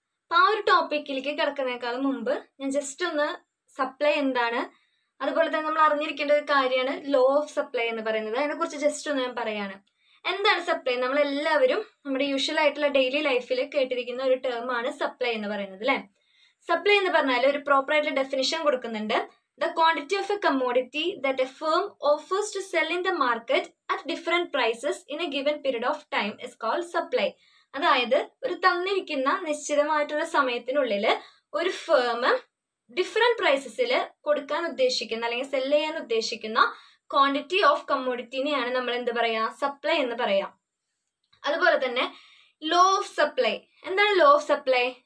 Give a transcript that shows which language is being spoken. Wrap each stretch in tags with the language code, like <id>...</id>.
<ml>അപ്പൊ ആ ഒരു ടോപ്പിക്കിലേക്ക് കടക്കുന്നതിനേക്കാളും മുമ്പ് ഞാൻ ജസ്റ്റ് ഒന്ന് സപ്ലൈ എന്താണ്, അതുപോലെ തന്നെ നമ്മൾ അറിഞ്ഞിരിക്കേണ്ട ഒരു കാര്യമാണ് ലോ ഓഫ് സപ്ലൈ എന്ന് പറയുന്നത്. അതിനെ കുറിച്ച് ജസ്റ്റ് ഒന്ന് ഞാൻ പറയാണ്. എന്താണ് സപ്ലൈ? നമ്മൾ എല്ലാവരും നമ്മുടെ യൂഷ്വൽ ആയിട്ടുള്ള ഡെയിലി ലൈഫിൽ കേട്ടിരിക്കുന്ന ഒരു ടേം ആണ് സപ്ലൈ എന്ന് പറയുന്നത് അല്ലെ. സപ്ലൈ എന്ന് പറഞ്ഞാൽ ഒരു പ്രോപ്പർ ആയിട്ടുള്ള ഡെഫിനിഷൻ കൊടുക്കുന്നുണ്ട്.</ml> <en>The quantity of a commodity that a firm offers to sell in the market at different prices in a given period of time is called supply.</en> <ml>അതായത് ഒരു തന്നിരിക്കുന്ന നിശ്ചിതമായിട്ടുള്ള സമയത്തിനുള്ളിൽ ഒരു ഫേം ഡിഫറെന്റ് പ്രൈസസിൽ കൊടുക്കാൻ ഉദ്ദേശിക്കുന്ന അല്ലെങ്കിൽ സെല്ല് ചെയ്യാൻ ഉദ്ദേശിക്കുന്ന ക്വാണ്ടിറ്റി ഓഫ് കമ്മോഡിറ്റിനെയാണ് നമ്മൾ എന്ത് പറയാ, സപ്ലൈ എന്ന് പറയാം. അതുപോലെ തന്നെ ലോ ഓഫ് സപ്ലൈ. എന്താണ് ലോ ഓഫ് സപ്ലൈ?</ml>